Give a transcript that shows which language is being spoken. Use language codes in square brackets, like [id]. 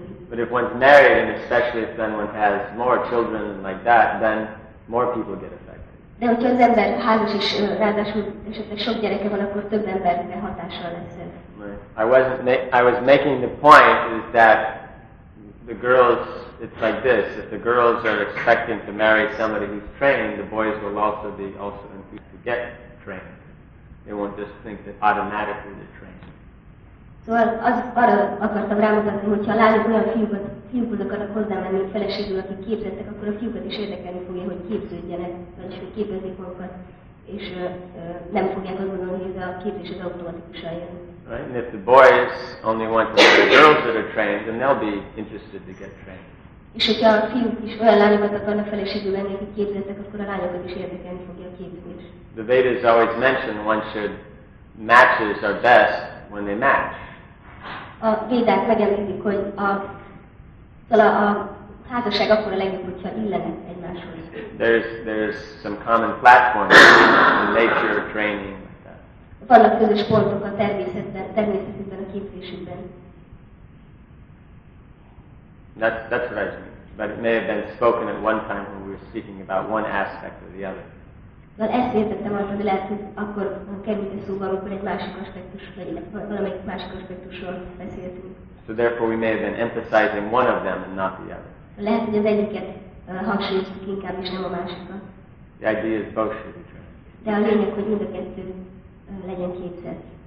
[en] But if one's married, and especially if then one has more children like that, then more people get affected. [hu] De hogyha az ember házas is, ráadásul esetleg sok gyereke van, akkor több emberre hatással lesz ez. [en] I was making the point is that the girls, it's like this, if the girls are expecting to marry somebody who's trained, the boys will also be also enthused to get trained. They won't just think that automatically they're trained. [hu] Szóval arra akartam rámutatni, hogy ha a lányok olyan fiúkhoz akarnak hozzámenni, hogy feleségül, akik képzettek, akkor a fiúkat is érdekelni fogja, hogy képződjenek, vagyis hogy képezzék magukat, és nem fogják azt gondolni, hogy ez a képzés az automatikusan jön. [en] Right, and if the boys only want to see the girls that are trained, then they'll be interested to get trained. [hu] És hogyha a fiúk is olyan lányokat akarnak feleségül venni, akik képzettek, akkor a lányokat is érdekelni fogja a képzés. [en] The Vedas always mention one should matches are best when they match. [hu] A Védák megemlítik, hogy a házasság akkor a legjobb, hogyha illenek egymáshoz. [en] There's some common platforms in nature training like that. [hu] Vannak közös pontok a természetben a képzésükben. [en] That's what I mean. But it may have been spoken at one time when we were speaking about one aspect or the other. [hu] Na, ezt értettem azt, hogy lehet, hogy akkor kerülte szóba, amikor egy másik aspektus, valamelyik másik aspektusról beszéltünk. [en] So therefore we may have been emphasizing one of them and not the other. [hu] Lehet, hogy az egyiket hangsúlyoztuk inkább, és nem a másikat. [en] The idea is both should be true. [hu] De a lényeg, hogy mind a kettő legyen képzett.